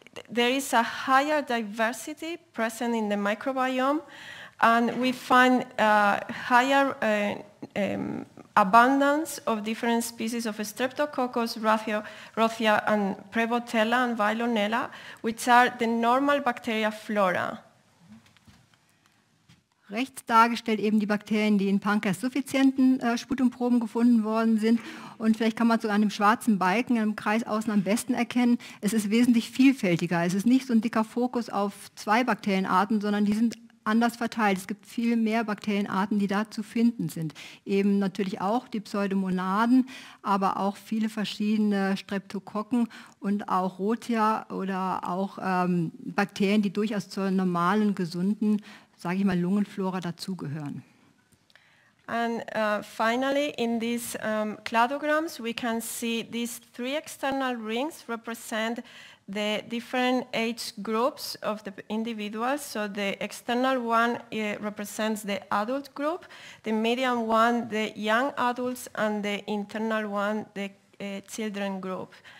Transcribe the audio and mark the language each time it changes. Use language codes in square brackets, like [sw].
[en] There is a higher diversity present in the microbiome, and we find higher abundance of different species of Streptococcus, Rothia, and Prevotella and Vilonella, which are the normal bacteria flora. [de] Rechts dargestellt eben die Bakterien, die in pankreassuffizienten Sputumproben gefunden worden sind. Und vielleicht kann man sogar an dem schwarzen Balken im Kreis außen am besten erkennen, es ist wesentlich vielfältiger. Es ist nicht so ein dicker Fokus auf zwei Bakterienarten, sondern die sind anders verteilt. Es gibt viel mehr Bakterienarten, die da zu finden sind. Eben natürlich auch die Pseudomonaden, aber auch viele verschiedene Streptokokken und auch Rothia oder auch Bakterien, die durchaus zur normalen, gesunden, sage ich mal, Lungenflora dazugehören. [en] And finally, in these cladograms, we can see these three external rings represent the different age groups of the individuals. So the external one represents the adult group, the medium one, the young adults, and the internal one, the children group.